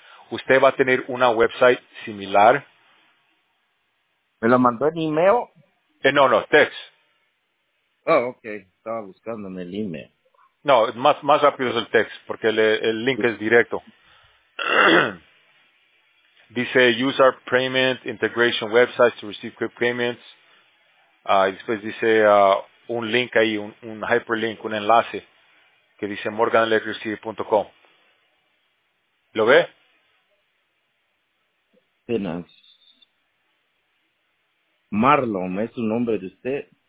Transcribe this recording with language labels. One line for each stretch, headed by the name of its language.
Spanish: ¿Usted va a tener una website similar? ¿Me la mandó en email? No, text.
English: Oh, okay.
Spanish: Estaba buscando en el email. No, más rápido es el text, porque el link es directo.
English: Dice, use our payment integration websites to receive quick payments.
Spanish: Después dice un link ahí, un hyperlink, un enlace, que dice morganelectricity.com. ¿Lo ve? Tenaz. Marlon, ¿es su nombre de usted?